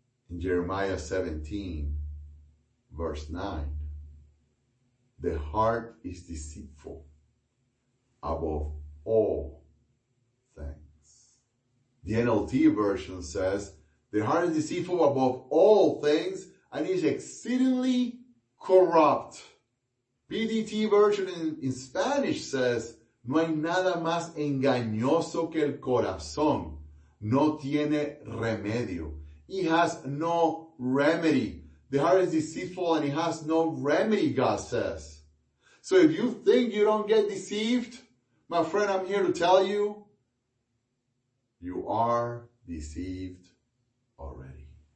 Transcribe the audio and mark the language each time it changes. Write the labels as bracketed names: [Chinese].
[English] In Jeremiah 17, verse 9, the heart is deceitful above all things. The NLT version says, the heart is deceitful above all things and is exceedingly corrupt. PDT version in Spanish says, [Spanish] no hay nada más engañoso que el corazón. No tiene remedio. [English] It has no remedy. The heart is deceitful and it has no remedy, God says. So if you think you don't get deceived, my friend, I'm here to tell you, you are deceived already.